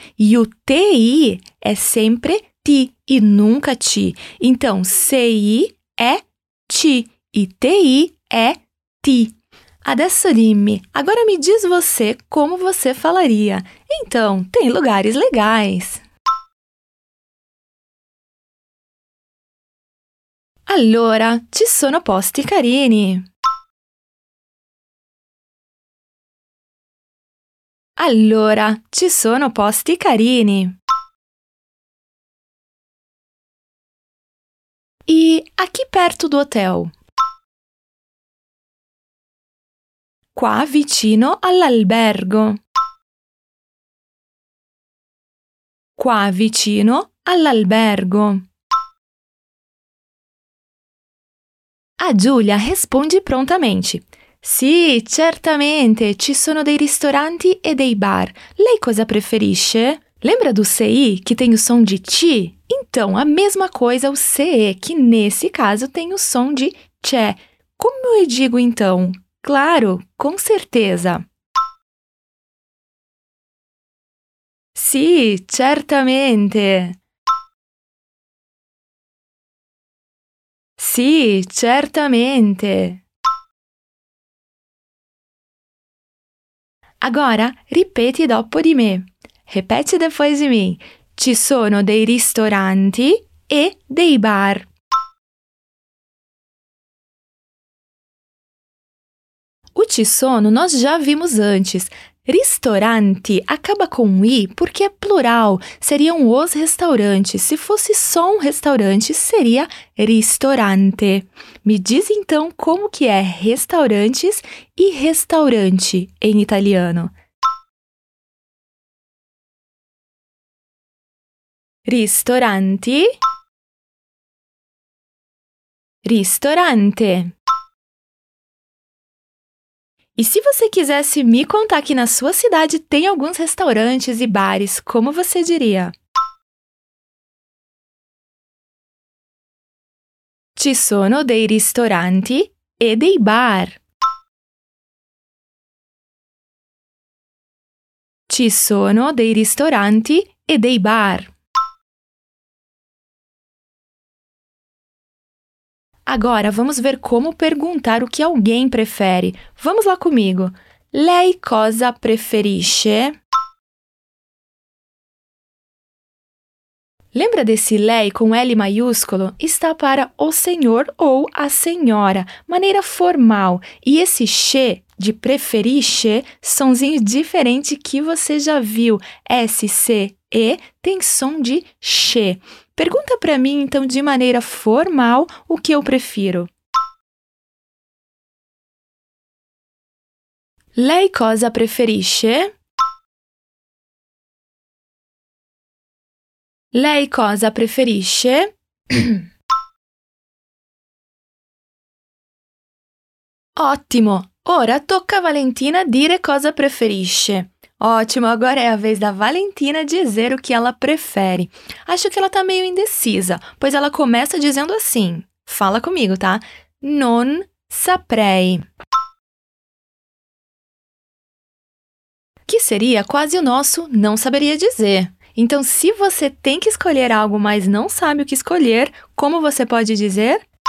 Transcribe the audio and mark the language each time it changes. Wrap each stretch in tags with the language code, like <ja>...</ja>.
<pt>E o TI é sempre TI e nunca TI. Então, CI é TI e TI é TI.</pt> <it>Adesso dimmi,</it> <pt>agora me diz você como você falaria. Então, tem lugares legais.</pt> <it>Allora, ci sono posti carini. Allora, ci sono posti carini.</it> <pt>E aqui perto do hotel?</pt> <it>Qua vicino all'albergo. Qua vicino all'albergo. A Giulia risponde prontamente. Sì, certamente, ci sono dei ristoranti e dei bar. Lei cosa preferisce?</it> <pt>Lembra do CI, che tem o som di TI? Então, a mesma coisa o CE, che nesse caso tem o som di CE. Come eu digo, então? Claro, com certeza.</pt> <it>Sì, certamente. Sì, certamente.</it> <pt>Agora,</pt> <it>ripeti dopo di me.</it> <pt>Repete depois de mim.</pt> <it>Ci sono dei ristoranti e dei bar.</it> <pt>O ci sono nós já vimos antes. Ristorante acaba com i porque é plural. Seriam os restaurantes. Se fosse só um restaurante, seria ristorante. Me diz então como que é restaurantes e restaurante em italiano.</pt> <it>Ristoranti. Ristorante.</it> <pt>E se você quisesse me contar que na sua cidade tem alguns restaurantes e bares, como você diria?</pt> <it>Ci sono dei ristoranti e dei bar. Ci sono dei ristoranti e dei bar.</it> <pt>Agora, vamos ver como perguntar o que alguém prefere. Vamos lá comigo.</pt> <it>Lei cosa preferisce?</it> <pt>Lembra desse lei com L maiúsculo? Está para o senhor ou a senhora, maneira formal. E esse che de preferisce, sonzinho diferente que você já viu. S-C-E tem som de che. Pergunta para mim, então, de maneira formal, o que eu prefiro.</pt> <it>Lei cosa preferisce? Lei cosa preferisce? Ottimo! Ora tocca a Valentina dire cosa preferisce.</it> <pt>Ótimo, agora é a vez da Valentina dizer o que ela prefere. Acho que ela está meio indecisa, pois ela começa dizendo assim. Fala comigo, tá?</pt> <it>Non saprei.</it> <pt>Que seria quase o nosso não saberia dizer. Então, se você tem que escolher algo, mas não sabe o que escolher, como você pode dizer?</pt>